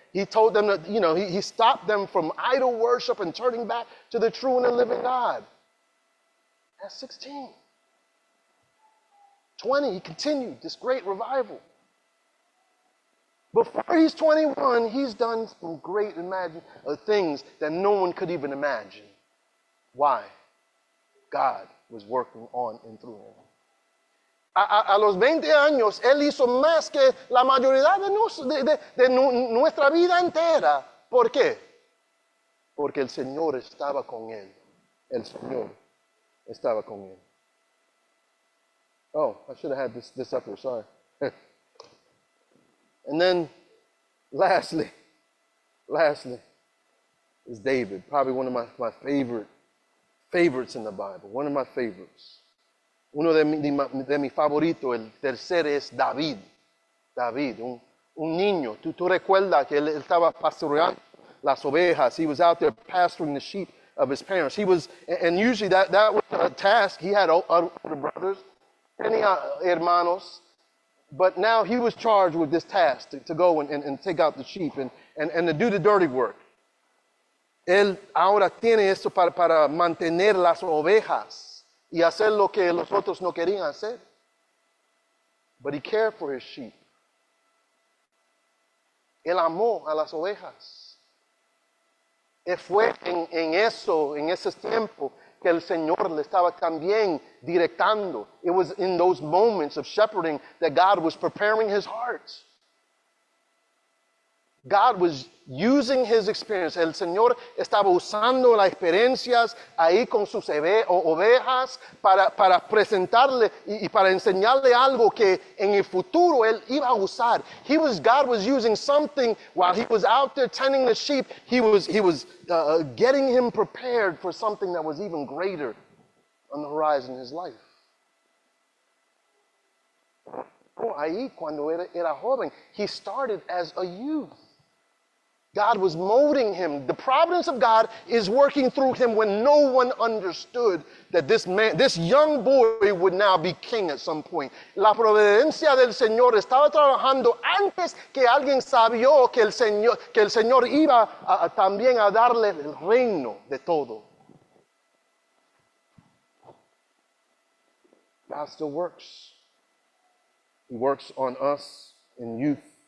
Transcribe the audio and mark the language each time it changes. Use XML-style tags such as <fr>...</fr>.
<en>He told them that, you know, he stopped them from idol worship and turning back to the true and the living God. At 16, 20, he continued this great revival. Before he's 21, he's done some great things that no one could even imagine. Why? God was working on and through him.</en> <es>A los 20 años, él hizo más que la mayoría de nuestra vida entera. ¿Por qué? Porque el Señor estaba con él. El Señor estaba con él.</es> <en>Oh, I should have had this up here, sorry. And then, lastly, is David. Probably one of my favorites in the Bible. One of my favorites.</en> <es>Uno de mi favorito, el tercer, es David. David, un niño. ¿Tú recuerdas que él estaba pastoreando las ovejas?</es> <en>He was out there pastoring the sheep of his parents. He was, and usually that was a task. He had older brothers,</en> <es>tenía hermanos,</es> <en>but now he was charged with this task to go and take out the sheep and to do the dirty work.</en> <es>Él ahora tiene eso para mantener las ovejas y hacer lo que los otros no querían hacer. But he cared for his sheep. Él amó a las ovejas. Y fue en eso, en ese tiempo, que el Señor le estaba también directando.</es> <en>It was in those moments of shepherding that God was preparing his heart. God was using his experience.</en> <es>El Señor estaba usando las experiencias ahí con sus ovejas para presentarle y para enseñarle algo que en el futuro él iba a usar.</es> <en>God was using something while he was out there tending the sheep. He was getting him prepared for something that was even greater on the horizon in his life.</en> <es>Ahí cuando era joven,</es> <en>he started as a youth. God was molding him. The providence of God is working through him when no one understood that this man, this young boy, would now be king at some point.</en> <es>La providencia del Señor estaba trabajando antes que alguien sabió que el Señor iba también a darle el reino de todo.</es> <en>God still works. He works on us in youth.</en>